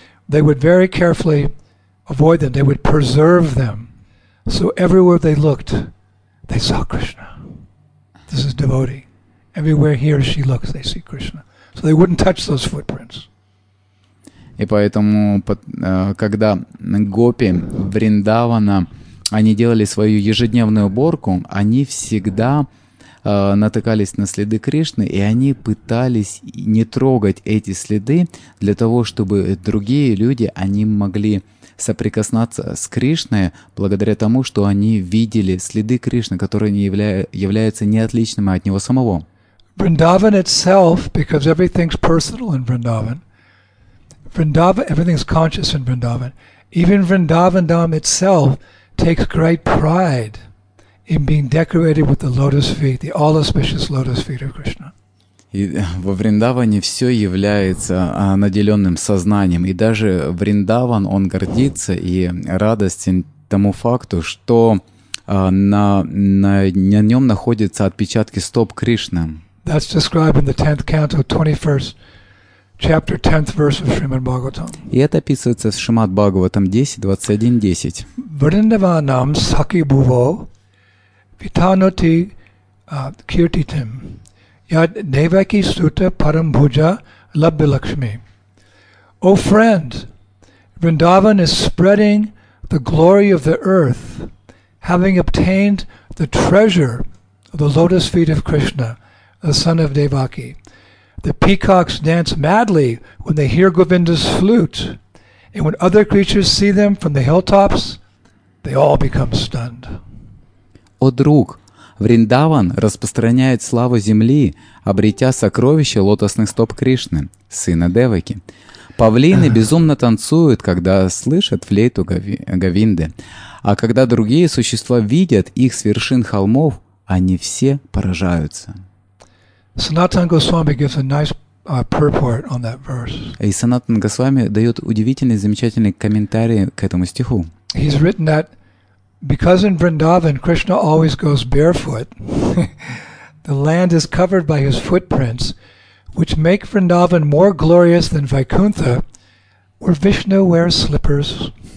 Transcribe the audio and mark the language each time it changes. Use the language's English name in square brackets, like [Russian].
[English] They would very carefully avoid them. They would preserve them. So everywhere they looked, they saw Krishna. This is devotee. Everywhere he or she looks, they see Krishna. So they wouldn't touch those footprints. [Russian] И поэтому, когда гопи Вриндавана они делали свою ежедневную уборку, они всегда натыкались на следы Кришны, и они пытались не трогать эти следы для того, чтобы другие люди, они могли соприкоснуться с Кришной благодаря тому, что они видели следы Кришны, которые не являются неотличными от Него самого. [English] Vrindavan itself, because everything's personal in Vrindavan, everything's conscious in Vrindavan, even Vrindavandam itself takes great pride in being decorated with the lotus feet, the all auspicious lotus feet of Krishna. [Russian] И во Вриндаване все является наделенным сознанием, и даже Вриндаван он гордится и радостен тому факту, что на нем находятся отпечатки стоп Кришны. [English] That's described in the 10th canto, 21st chapter, 10th verse of Shrimad Bhagavatam. [Russian] И это описывается в Шримад Бхагаватам 10:21-10. [Sanskrit] Vrindavanam sakhi bhuvo vitanoti kirtitim yad devaki suta param bhuja labhya lakshmi. [English] O friend, Vrindavan is spreading the glory of the earth, having obtained the treasure of the lotus feet of Krishna, the son of Devaki. The peacocks dance madly when they hear Govinda's flute, and when other creatures see them from the hilltops, they all become stunned. [Russian] О друг, Вриндаван распространяет славу земли, обретя сокровище лотосных стоп Кришны, сына Деваки. Павлины безумно танцуют, когда слышат флейту Говинды, а когда другие существа видят их с вершин холмов, они все поражаются. [English] Sanatana Goswami gives a nice purport on that verse. [Russian] И Санатан Госвами дает удивительный, замечательный комментарий к этому стиху. [English] He's written that because in Vrindavan Krishna always goes barefoot, the land is covered by his footprints, which make Vrindavan more glorious than Vaikuntha, where Vishnu wears slippers.